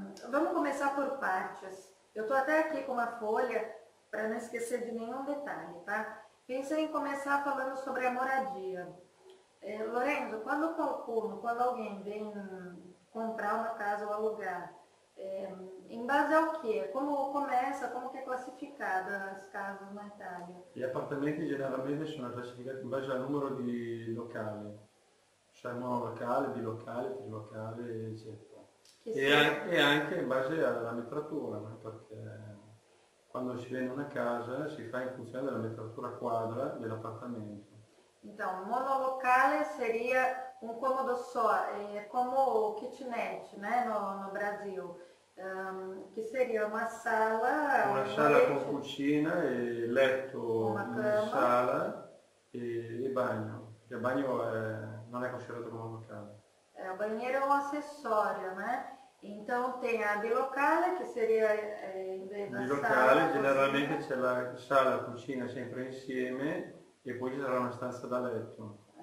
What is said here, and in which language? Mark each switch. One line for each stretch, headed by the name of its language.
Portuguese: Vamos começar por partes. Eu estou até aqui com uma folha para não esquecer de nenhum detalhe, tá? Pensei em começar falando sobre a moradia. Lorenzo, quando alguém vem comprar uma casa ou alugar, em base ao quê? Como começa, como que é classificada as casas na Itália?
Italian: Gli appartamenti generalmente sono classificati in base al numero di locale, cioè monolocale, bilocale, trilocale, eccetera. E anche in base alla metratura, no? Perché quando si vende una casa si fa in funzione della metratura quadra dell'appartamento.
Portuguese: Então, monolocale seria un comodo só, come kitnet, né? No Brasil.
Italian: Che seria una sala, una sala con cucina e letto in sala e bagno. Il bagno non è considerato come locale. Il bagno è un accessorio, né?
Portuguese: Então tem a bilocale
Italian: che seria invece bilocale, generalmente c'è la sala, cucina sempre insieme e poi ci sarà una stanza da letto.